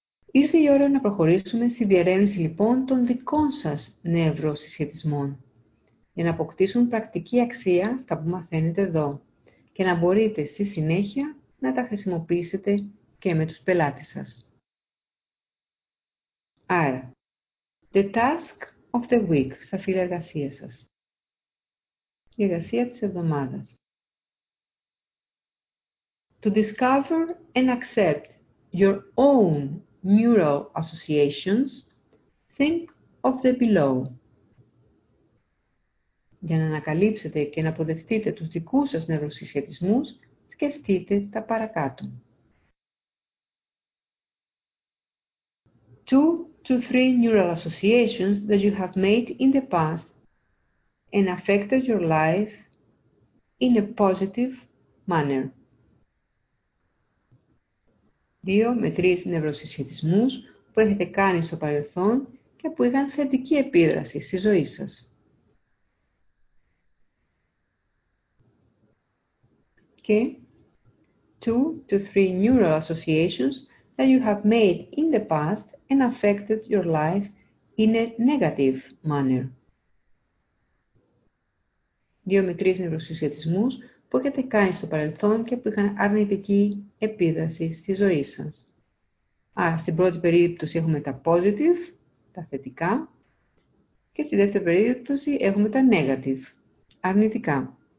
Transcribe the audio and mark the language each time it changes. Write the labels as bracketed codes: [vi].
[el] Ήρθε η ώρα να προχωρήσουμε στη διερεύνηση λοιπόν των δικών σας νευροσυσχετισμών για να αποκτήσουν πρακτική αξία τα που μαθαίνετε εδώ και να μπορείτε στη συνέχεια να τα χρησιμοποιήσετε και με τους πελάτες σας. Άρα, [en] the task of the week [el] στα φύλλα εργασίας σας. Η εργασία της εβδομάδας. [en] To discover and accept your own neural associations, think of the below. [el] Για να ανακαλύψετε και να αποδεχτείτε τους δικούς σας νευροσυσχετισμούς, σκεφτείτε τα παρακάτω. [en] Two to three neural associations that you have made in the past and affected your life in a positive manner. [el] Δύο με τρεις νευροσυσχετισμούς που έχετε κάνει στο παρελθόν και που είχαν θετική επίδραση στη ζωή σας. [en] Και two to three neural associations that you have made in the past and affected your life in a negative manner. [el] Δύο με τρεις νευροσυσχετισμούς που έχετε κάνει στο παρελθόν και που είχαν αρνητική επίδραση στη ζωή σας. Άρα, στην πρώτη περίπτωση έχουμε τα positive, τα θετικά, και στη δεύτερη περίπτωση έχουμε τα negative, αρνητικά.